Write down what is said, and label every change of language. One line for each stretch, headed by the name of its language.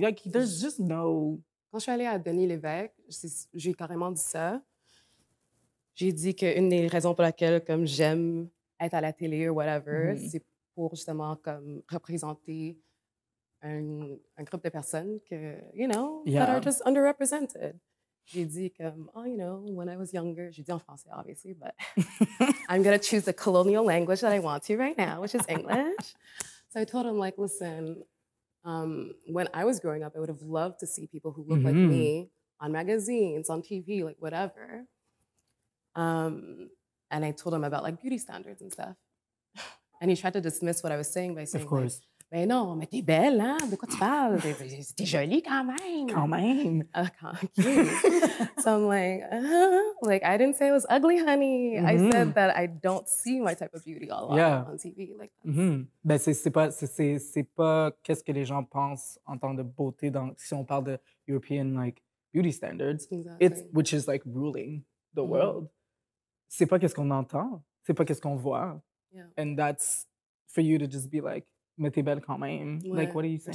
English: Like, there's just no...
French: Quand je suis allée à Denis Lévesque, j'ai carrément dit ça. J'ai dit qu'une des raisons pour laquelle comme, j'aime être à la télé ou whatever, c'est pour justement comme, représenter... Un groupe de personnes que,
English: you know, that are just underrepresented.
French: J'ai dit comme,
English: oh, you know, when I was younger,
French: j'ai dit en français,
English: obviously, but I'm going to choose the colonial language that I want to right now, which is English. So I told him, like, listen, when I was growing up, I would have loved to see people who look like me on magazines, on TV, like, whatever. And I told him about, like, beauty standards and stuff. And he tried to dismiss what I was saying by saying, of course.
French: Like, mais non, mais t'es belle, hein? De quoi tu parles? T'es jolie quand même. Quand même.
English: Okay. So I'm like, like, I didn't say I was ugly, honey. I said that I don't see my type of beauty all on TV. Like,
French: Ben, c'est pas qu'est-ce que les gens pensent en tant de beauté. Donc, si on parle de
English: European, like, beauty standards, it's, which is, like, ruling the world,
French: c'est pas qu'est-ce qu'on entend. C'est pas qu'est-ce qu'on voit.
English: Yeah. And that's for you to just be like,
French: mais t'es belle quand même. Ouais.
English: Like, what are you saying?